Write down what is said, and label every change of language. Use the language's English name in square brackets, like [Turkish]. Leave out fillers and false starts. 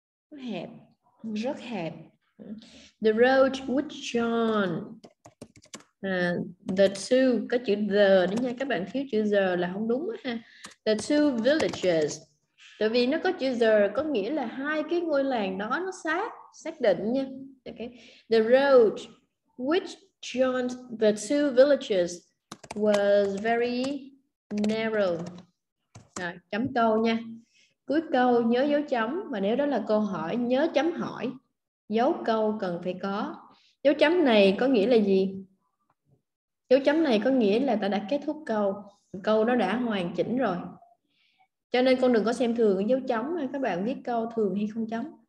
[Vietnamese] Nó hẹp, rất hẹp. [English] The road which John, the two, [Vietnamese] có chữ the nữa nha, các bạn thiếu chữ the là không đúng ha. [English] The two villages, [Vietnamese] tại vì nó có chữ the có nghĩa là hai cái ngôi làng đó nó sát xác định nha. [English] Okay. The road which joined the two villages was very narrow. [Vietnamese] À, chấm câu nha. Cuối câu nhớ dấu chấm, và nếu đó là câu hỏi nhớ chấm hỏi. Dấu câu cần phải có. Dấu chấm này có nghĩa là gì? Dấu chấm này có nghĩa là ta đã kết thúc câu, câu đó đã hoàn chỉnh rồi. Cho nên con đừng có xem thường dấu chấm, các bạn viết câu thường hay không chấm.